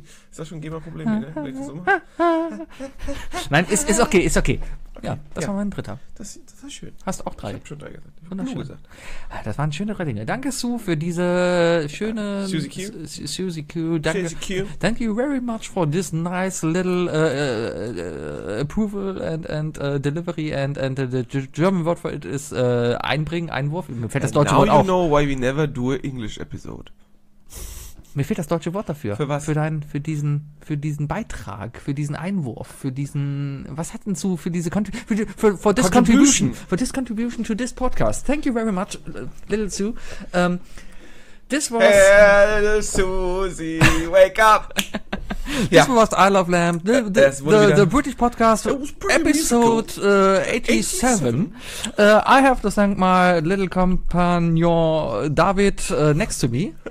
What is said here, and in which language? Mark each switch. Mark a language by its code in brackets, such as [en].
[de] Ist das schon ein GEMA-Problem, ne? Nein, ist okay. Ja, das war mein dritter. Das war schön. Hast auch drei. Ich hab schon drei gesagt. Wunderschön. Das waren schöne Dinge. Danke, Sue, für diese schöne... Susie Q. Susie Q. Danke. [en] Thank you very much for this nice little approval and delivery and the German word for it is [de] einbringen, Einwurf. Mir fällt das deutsche Wort auf. [en] Now you know why we never do an English episode. [de] Mir fehlt das deutsche Wort dafür. Für was? Für diesen Beitrag, für diesen Einwurf, für diesen, was hat denn zu, für diese, [en] for this contribution. For this contribution to this podcast. Thank you very much, little Sue. This was... Hey, Susie, wake up! This was Isle of Lamb, the British podcast, episode 87. I have to thank my little companion David next to me.